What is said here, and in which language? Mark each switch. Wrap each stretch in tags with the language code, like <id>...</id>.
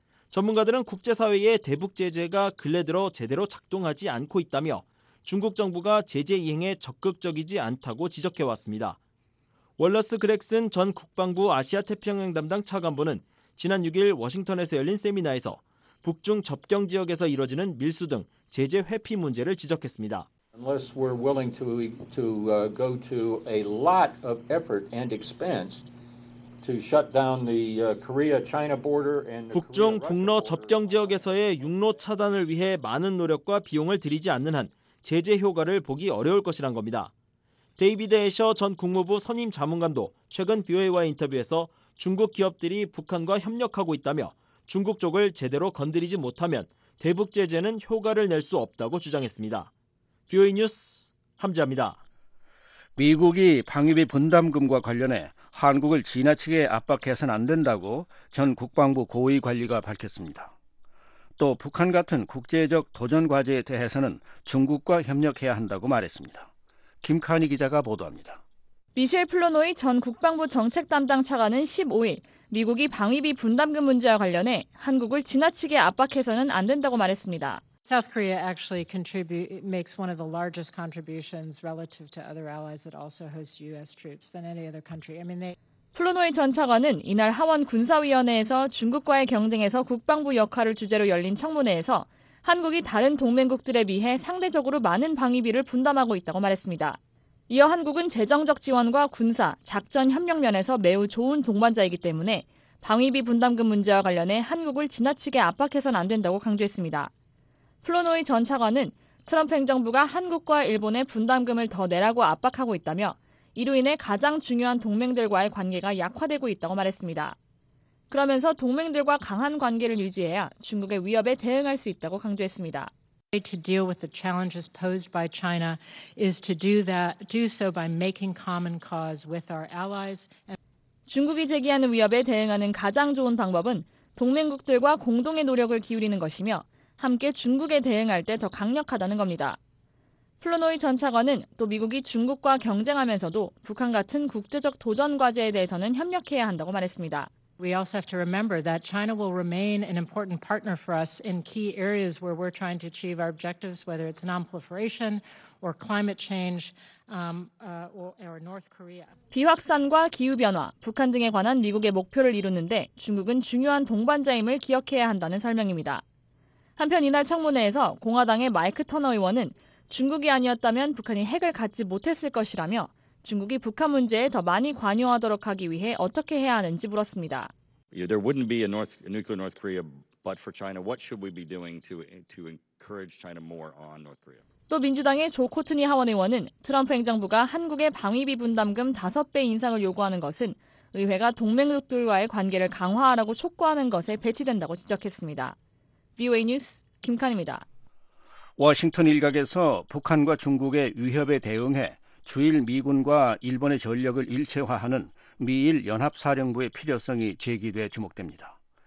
<ko>전문가들은 국제사회의 대북 제재가 근래 들어 제대로 작동하지 않고 있다며 중국 정부가 제재 이행에 적극적이지 않다고 지적해왔습니다. 월러스 그렉슨 전 국방부 아시아태평양 담당 차관보는 지난 6일 워싱턴에서 열린 세미나에서 북중 접경 지역에서 이뤄지는 밀수 등 제재 회피 문제를 지적했습니다.</ko> <en>Unless we're willing to go to a lot of effort and expense to shut down the Korea-China border and</en> <ko>북중 국러 접경 지역에서의 육로 차단을 위해 많은 노력과 비용을 들이지 않는 한 제재 효과를 보기 어려울 것이란 겁니다. 데이비드 애셔 전 국무부 선임 자문관도 최근 BOA와 인터뷰에서 중국 기업들이 북한과 협력하고 있다며 중국 쪽을 제대로 건드리지 못하면 대북 제재는 효과를 낼 수 없다고 주장했습니다. BOA 뉴스 함재합니다. 미국이 방위비 분담금과 관련해 한국을 지나치게 압박해서는 안 된다고 전 국방부 고위 관리가 밝혔습니다. 또 북한 같은 국제적 도전 과제에 대해서는 중국과 협력해야 한다고 말했습니다. 김카니 기자가 보도합니다. 미셸 플로노이 전 국방부 정책 담당 차관은 15일 미국이 방위비 분담금 문제와 관련해 한국을 지나치게 압박해서는 안 된다고 말했습니다.</ko> <en>South Korea actually makes one of the largest contributions relative to other allies that also host US troops than any other country. I mean they</en> <ko>플로노이 전 차관은 이날 하원 군사위원회에서 중국과의 경쟁에서 국방부 역할을 주제로 열린 청문회에서 한국이 다른 동맹국들에 비해 상대적으로 많은 방위비를 분담하고 있다고 말했습니다. 이어 한국은 재정적 지원과 군사, 작전 협력 면에서 매우 좋은 동반자이기 때문에 방위비 분담금 문제와 관련해 한국을 지나치게 압박해서는 안 된다고 강조했습니다. 플로노이 전 차관은 트럼프 행정부가 한국과 일본에 분담금을 더 내라고 압박하고 있다며 이로 인해 가장 중요한 동맹들과의 관계가 약화되고 있다고 말했습니다. 그러면서 동맹들과 강한 관계를 유지해야 중국의 위협에 대응할 수 있다고 강조했습니다.</ko> <en>To deal with the challenges posed by China is to do so by making common cause with our allies.</en> <ko>중국이 제기하는 위협에 대응하는 가장 좋은 방법은 동맹국들과 공동의 노력을 기울이는 것이며 함께 중국에 대응할 때 더 강력하다는 겁니다. 플로노이 전 차관은 또 미국이 중국과 경쟁하면서도 북한 같은 국제적 도전 과제에 대해서는 협력해야 한다고 말했습니다.</ko> <en>We also have to remember that China will remain an important partner for us in key areas where we're trying to achieve our objectives, whether it's non-proliferation or climate change or North Korea.</en> <ko>비확산과 기후 변화, 북한 등에 관한 미국의 목표를 이루는데 중국은 중요한 동반자임을 기억해야 한다는 설명입니다. 한편 이날 청문회에서 공화당의 마이크 터너 의원은 중국이 아니었다면 북한이 핵을 갖지 못했을 것이라며 중국이 북한 문제에 더 많이 관여하도록 하기 위해 어떻게 해야 하는지 물었습니다.</ko> <en>There wouldn't be a nuclear North Korea but for China. What should we be doing to encourage China more on North Korea?</en> <ko>또 민주당의 조 코트니 하원 의원은 트럼프 행정부가 한국의 방위비 분담금 5배 인상을 요구하는 것은 의회가 동맹국들과의 관계를 강화하라고 촉구하는 것에 배치된다고 지적했습니다. VOA 뉴스 김칸입니다. 워싱턴 일각에서 북한과 중국의 위협에 대응해 주일 미군과 일본의 전력을 일체화하는 미일 연합사령부의 필요성이 제기돼 주목됩니다.</ko>